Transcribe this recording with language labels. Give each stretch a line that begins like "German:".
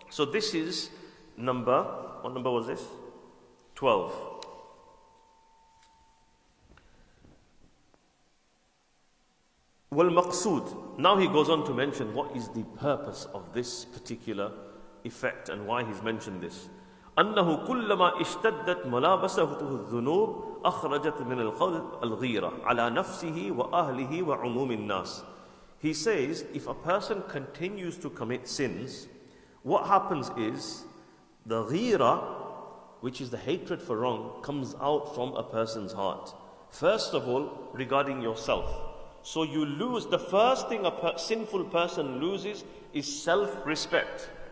English: So this is number, what number was this? 12.
Arabic: والمقصود.
English: Now he goes on to mention what is the purpose of this particular effect and why he's mentioned this.
Arabic: أنه كلما اشتدت ملابسته الذنوب أخرجت من القلب الغيرة على نفسه وأهله وعموم الناس.
English: He says, if a person continues to commit sins, what happens is the ghira, which is the hatred for wrong, comes out from a person's heart. First of all, regarding yourself. So you lose, the first thing a sinful person loses is self-respect.